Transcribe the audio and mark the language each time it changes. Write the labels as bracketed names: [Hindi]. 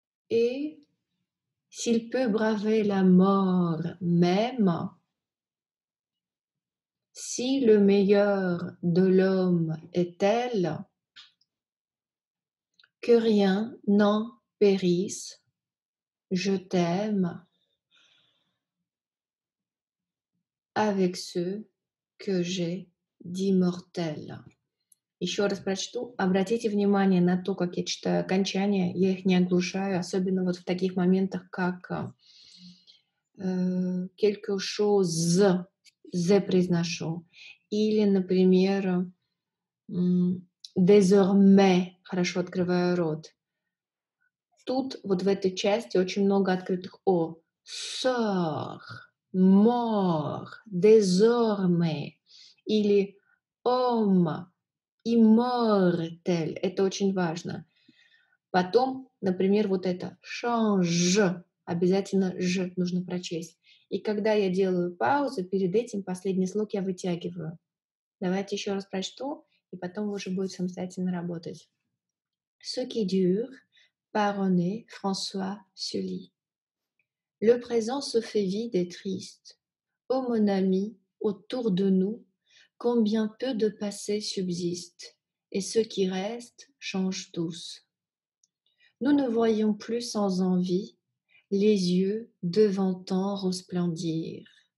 [French] Et s'il peut braver la mort même, si le meilleur de l'homme est tel, que rien n'en périsse, je t'aime avec ce que j'ai d'immortel. [Russian] Еще раз прочту. Обратите внимание на то, как я читаю окончания. Я их не оглушаю, особенно вот в таких моментах, как [French] quelque chose, [Russian] «зе» произношу. Или, например, «désormais» хорошо открываю рот. Тут, вот в этой части, очень много открытых «о». «Сор», «мор», «désormais» или «ом», «immortel». Это очень важно. Потом, например, вот это «change». Обязательно «ж» нужно прочесть. И когда я делаю паузу, перед этим последний слог я вытягиваю. Давайте еще раз прочту, и потом уже будет самостоятельно работать. [French] Ce qui dure Paroné François Sully. Le présent se fait vide et triste. Ô mon ami, autour de nous, combien peu de passé subsiste, et ceux qui restent changent tous. Nous ne voyons plus sans envie les yeux devant tant resplendir.